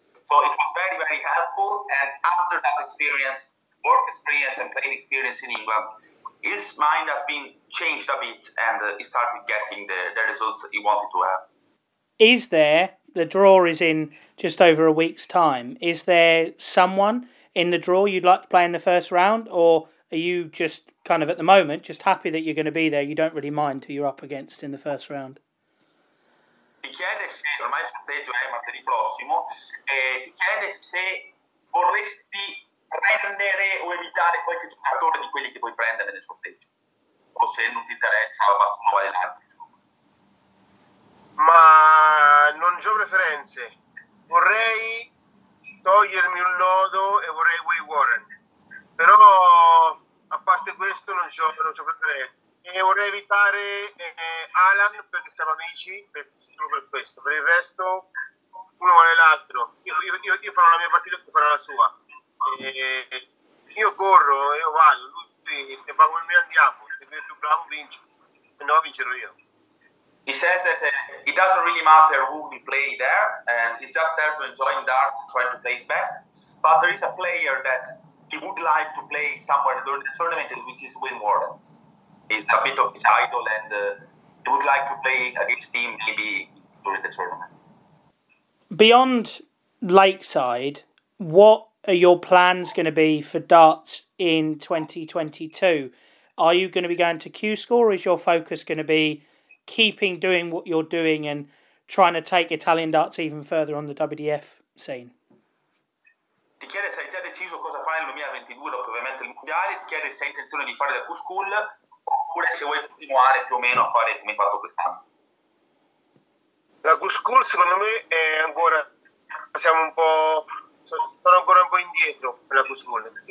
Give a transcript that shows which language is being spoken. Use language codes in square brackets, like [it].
[en] So it was very, very helpful. And after that experience, work experience and playing experience in England, his mind has been changed a bit and he started getting the results he wanted to have. Is there, the draw is in just over a week's time, is there someone in the draw you'd like to play in the first round, or are you just kind of at the moment just happy that you're going to be there, you don't really mind who you're up against in the first round? [it] Ti chiede se, ormai il sorteggio è martedì prossimo, ti chiede se vorresti prendere o evitare qualche giocatore di quelli che puoi prendere nel sorteggio, o se non ti interessa basta non vale l'altro, insomma. Ma non ho preferenze, vorrei togliermi un lodo e vorrei Wei Warren, però a parte questo non c'ho preferenze e vorrei evitare Alan perché siamo amici, solo per questo, per il resto uno vale l'altro, io farò la mia partita e farò la sua. Io corro, io vado, lui se va come me andiamo, se è più bravo vince, se no vincerò io. [en] He says that it doesn't really matter who we play there, and he's just there to enjoy darts, trying to play his best. But there is a player that he would like to play somewhere during the tournament, which is Wei Warren. He's a bit of his idol, and he would like to play against him maybe during the tournament. Beyond Lakeside, what are your plans going to be for darts in 2022? Are you going to be going to Q School, or is your focus going to be keeping doing what you're doing and trying to take Italian darts even further on the WDF scene? [it] Ti chiede se hai già deciso cosa fare nel 2022, dopo ovviamente il mondiale, ti chiede se hai intenzione di fare da Q School oppure se vuoi continuare più o meno a fare come hai fatto quest'anno. La Q School secondo me è ancora, siamo un po', sono ancora un po' indietro per la Q School.